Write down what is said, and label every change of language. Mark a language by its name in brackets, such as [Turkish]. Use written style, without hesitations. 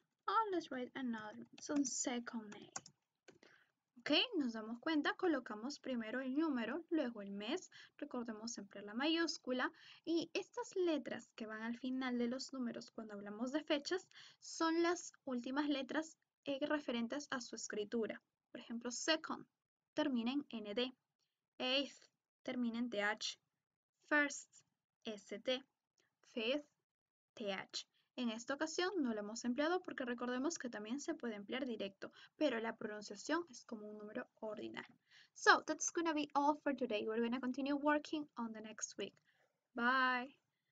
[English] Oh, let's write another, it's on second May. [Spanish] Ok, nos damos cuenta, colocamos primero el número, luego el mes, recordemos siempre la mayúscula. Y estas letras que van al final de los números cuando hablamos de fechas, son las últimas letras referentes a su escritura. Por ejemplo, second, termina en nd. Eighth, termina en th. [English] First, st. Fifth, th. [Spanish] En esta ocasión no lo hemos empleado porque recordemos que también se puede emplear directo, pero la pronunciación es como un número ordinal. [English] So, that's gonna be all for today. We're gonna continue working on the next week. Bye!